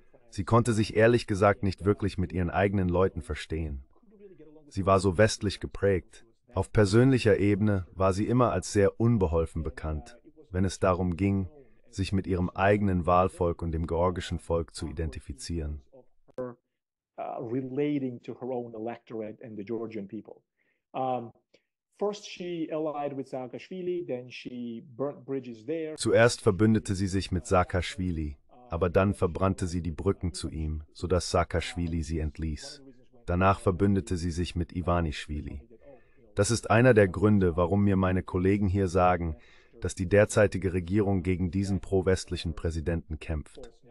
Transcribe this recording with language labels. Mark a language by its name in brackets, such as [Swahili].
[German] Sie konnte sich ehrlich gesagt nicht wirklich mit ihren eigenen Leuten verstehen. sie war so westlich geprägt. Auf persönlicher Ebene war sie immer als sehr unbeholfen bekannt, wenn es darum ging, sich mit ihrem eigenen Wahlvolk und dem georgischen Volk zu identifizieren. [English] Relating to her own electorate and the Georgian people. First she allied with Saakashvili, then she burnt bridges there. [German] Zuerst verbündete sie sich mit Saakashvili, aber dann verbrannte sie die Brücken zu ihm, sodass Saakashvili sie entließ. Danach verbündete sie sich mit Ivanishvili. Das ist einer der Gründe, warum mir meine Kollegen hier sagen, dass die derzeitige Regierung gegen diesen pro-westlichen Präsidenten kämpft.